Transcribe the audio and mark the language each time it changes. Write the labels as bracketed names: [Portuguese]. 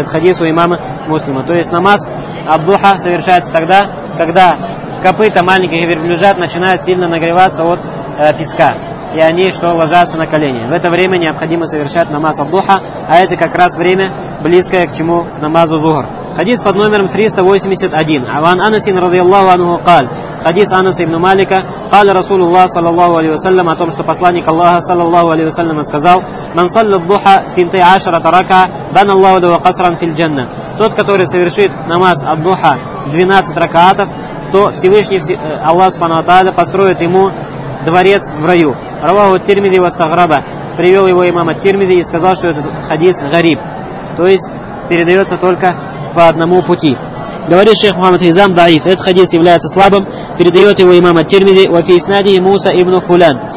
[Russian] Это хадис у имама Муслима. То есть намаз аддуха совершается тогда, когда копыта маленьких верблюжат начинают сильно нагреваться от песка. И они что, ложатся на колени. В это время необходимо совершать намаз аддуха, а это как раз время, близкое к чему намазу зухр. Хадис под номером 381. [Arabic] «Аван анасин радиаллаху ануху каль». [Russian] Хадис Анаса ибн Малика, [Arabic] قال رسول الله صلى الله عليه وسلم, [Russian] о том, что посланник Аллаха [Arabic] صلى الله عليه وسلم [Russian] сказал: [Arabic] من صلى الضحى 12 ركعة بنى الله له قصرا في الجنة. [Russian] Тот, который совершит намаз ад-духа 12 ракаатов, то Всевышний Аллах субхана ва тааля построит ему дворец в раю. [Arabic] Раваху ат-Тирмизи вастаграба. [Russian] Привел его имам ат-Тирмизи и сказал, что этот хадис гариб. То есть передается только по одному пути. Говорит шейх Мухаммад Хизам, даиф, этот хадис является слабым, передает его имам ат-Тирмизи, [Arabic] ва фи иснади Муса ибн Фулян.